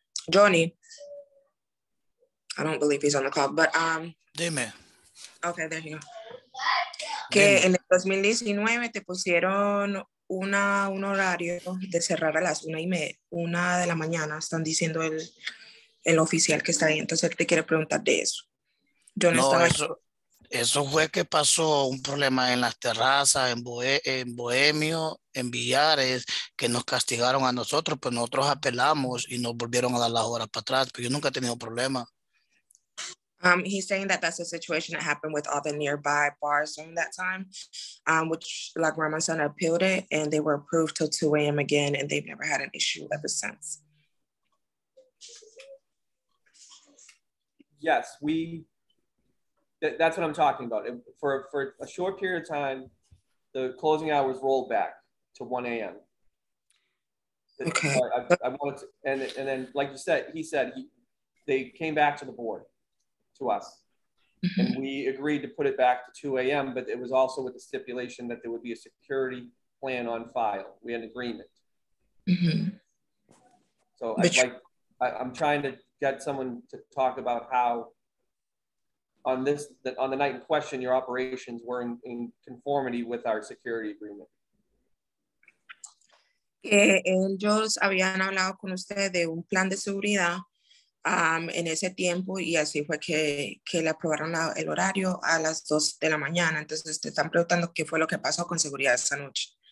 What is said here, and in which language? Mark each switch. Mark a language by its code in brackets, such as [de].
[en] Johnny. I don't believe he's on the call, but [es] dime. [en] Okay, there you go. [es] Que en el 2019 te pusieron un horario de cerrar a las 1:30 de la mañana, están diciendo el oficial que está ahí, entonces te quiere preguntar de eso. Yo no estaba eso fue que pasó un problema en las terrazas, en Bohemio, en Villares, que nos castigaron a nosotros, pues nosotros apelamos y nos volvieron a dar las horas para atrás, pero yo nunca he tenido problema. [en] He's saying that that's a situation that happened with all the nearby bars during that time, which La Gramazana appealed it, and they were approved till 2 a.m. again, and they've never had an issue ever since. Yes, that's what I'm talking about. For a short period of time, the closing hours rolled back to 1 a.m. Okay. I wanted to, and then, like you said, he said they came back to the board. To us, and we agreed to put it back to 2 a.m., but it was also with the stipulation that there would be a security plan on file. We had an agreement. So I'm trying to get someone to talk about how on the night in question, your operations were in conformity with our security agreement. [es] Ellos habían hablado con usted de un plan de seguridad. En ese tiempo y así fue que le aprobaron el horario a las 2 de la mañana. Entonces te están preguntando qué fue lo que pasó con seguridad esa noche.